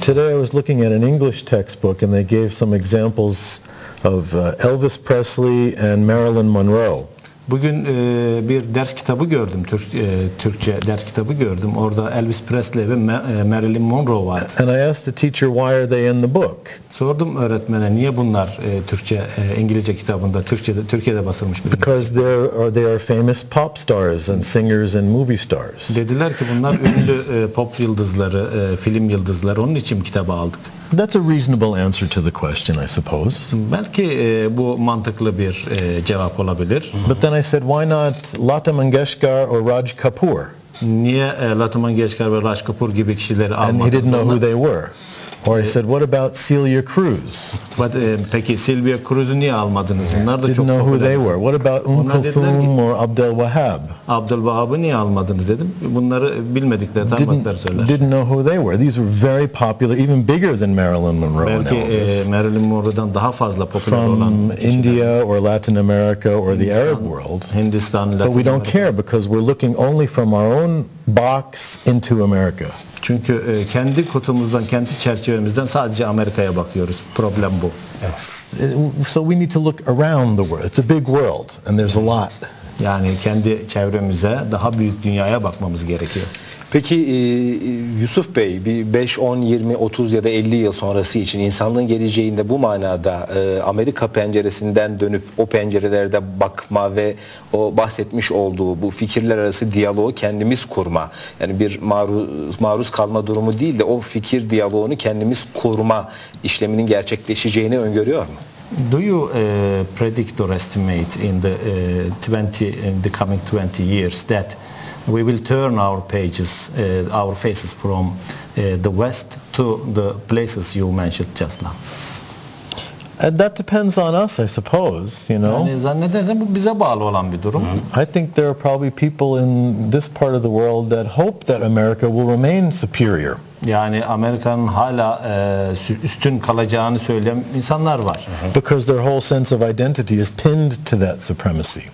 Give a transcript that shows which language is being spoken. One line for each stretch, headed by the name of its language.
English: Today I was looking at an English textbook and they gave some examples of Elvis Presley and Marilyn Monroe.
Turkish: Bugün bir ders kitabı gördüm, Türkçe ders kitabı gördüm. Orada Elvis Presley ve Marilyn Monroe var.
English: And I asked the teacher, why are they in the book?
Turkish: Sordum öğretmene, niye bunlar Türkçe, İngilizce kitabında, Türkiye'de basılmış?
English: Because they are famous pop stars and singers and movie stars.
Turkish: Dediler ki bunlar ünlü pop yıldızları, film yıldızları, onun için kitabı aldık.
English: That's a reasonable answer to the question, I suppose.
Turkish: Belki bu mantıklı bir cevap olabilir.
English: But then I said, why not Lata Mangeshkar or Raj Kapoor?
Turkish: Niye Lata Mangeshkar ve Raj Kapoor gibi kişileri almadın?
English: And he didn't know who they were. Or I said, what about Celia Cruz? But
Turkish: peki Celia Cruz'u niye almadınız? Bunlar da
English: didn't
Turkish: çok
English: know who they were. What about Kulthum or Abdel Wahab?
Turkish: Abdel Wahab'ı niye almadınız dedim. Bunları bilmedikleri tanımadıkları söyler.
English: Didn't know who they were. These were very popular, even bigger than Marilyn Monroe.
Turkish: Belki Marilyn Monroe'dan daha fazla popüler olan
English: from India or Latin America or the Arab world.
Turkish: Hindistan, Latin
English: America. But we don't care because we're looking only from our own box into America.
Turkish: Çünkü kendi kutumuzdan, kendi çerçevemizden sadece Amerika'ya bakıyoruz. Problem bu.
English: So we need to look around the world. It's a big world and there's a lot.
Turkish: Yani kendi çevremize, daha büyük dünyaya bakmamız gerekiyor. Peki Yusuf Bey, bir 5, 10, 20, 30 ya da 50 yıl sonrası için insanlığın geleceğinde bu manada Amerika penceresinden dönüp o pencerelerde bakma ve o bahsetmiş olduğu bu fikirler arası diyaloğu kendimiz kurma, yani bir maruz kalma durumu değil de o fikir diyaloğunu kendimiz kurma işleminin gerçekleşeceğini öngörüyor mu?
English: Do you predict or estimate in the coming 20 years that we will turn our pages, our faces from the West to the places you mentioned just now? And that depends on us, I suppose, you know.
Turkish: Yani zannedersem bu bize bağlı olan bir durum.
English: I think there are probably people in this part of the world that hope that America will remain superior.
Turkish: Yani Amerika'nın hala üstün kalacağını söyleyen insanlar var.
English: Because their whole sense of identity is pinned to that supremacy.